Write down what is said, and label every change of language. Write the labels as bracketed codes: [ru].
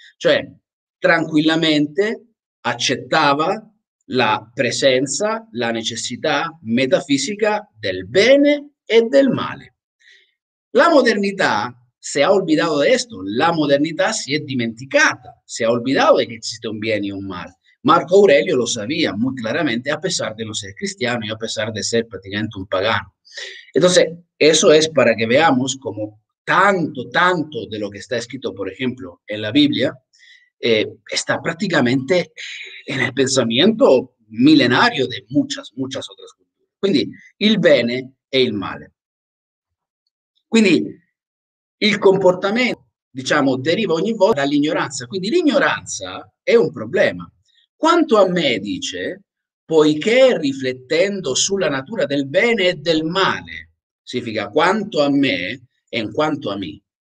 [it] Cioè, tranquillamente accettava la presenza, la necessità metafisica del bene e del male. La modernità. [es] Se ha olvidato [it] questo, la modernità si è dimenticata, si è olvidato che esiste un bene e un male. Marco Aurelio lo sapeva molto chiaramente, [es] a pesar [it] di non essere cristiano e a pesar di essere praticamente un pagano. [es] Entonces, eso es para que veamos como tanto, tanto de lo que está escrito, por ejemplo, en la Biblia, está prácticamente en el pensamiento milenario de muchas, muchas otras culturas. [it] Quindi, il bene e il male. Quindi, il comportamento, diciamo, deriva ogni volta dall'ignoranza. Quindi l'ignoranza è un problema. Quanto a me, dice, poiché riflettendo sulla natura del bene e del male, significa quanto a me e in quanto a me,